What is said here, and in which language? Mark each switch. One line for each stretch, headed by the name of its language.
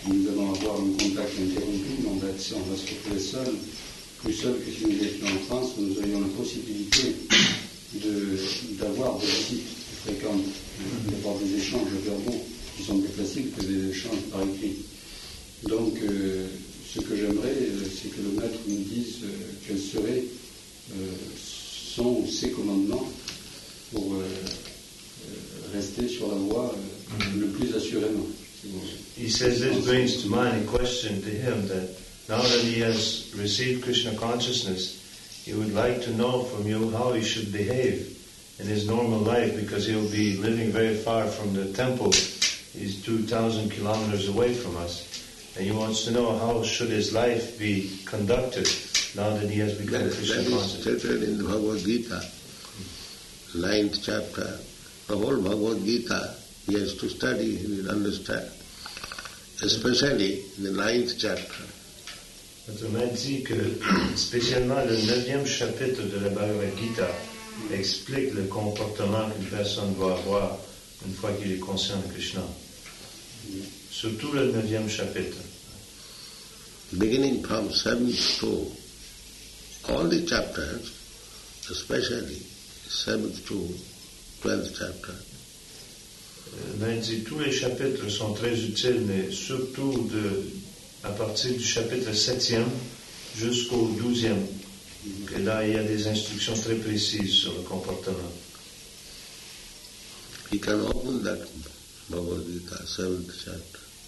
French: Nous allons avoir un contact interrompu, mais en fait, si on va se retrouver seul, plus seul que si nous étions en France, nous aurions la possibilité d'avoir des visites fréquentes, d'avoir des échanges verbaux qui sont plus faciles que des échanges par écrit. Donc, ce que j'aimerais, c'est que le maître nous dise quels seraient son ou ses commandements pour rester sur la voie le plus assurément.
English: He says this brings to mind a question to him that now that he has received Krishna consciousness, he would like to know from you how he should behave in his normal life, because he'll be living very far from the temple. He's 2,000 kilometers away from us. And he wants to know how should his life be conducted now that he has become Krishna consciousness. That is stated in the Bhagavad Gita, 9th chapter. The whole Bhagavad Gita he has to study, he will understand, especially in the 9th chapter.
French: Autrement dit que spécialement le 9e chapitre de la Bhagavad Gita explique le comportement qu'une personne doit avoir une fois qu'il est conscient de Krishna. Surtout le 9e chapitre.
English: Beginning from 7th to all the chapters, especially 7th to 12th chapter.
French: Dit, tous les chapitres sont très utiles, mais surtout à partir du chapitre 7e jusqu'au 12e. Et là, il y a des instructions très précises sur le comportement.
English: He can open that Bhagavad Gita, 7th chapter.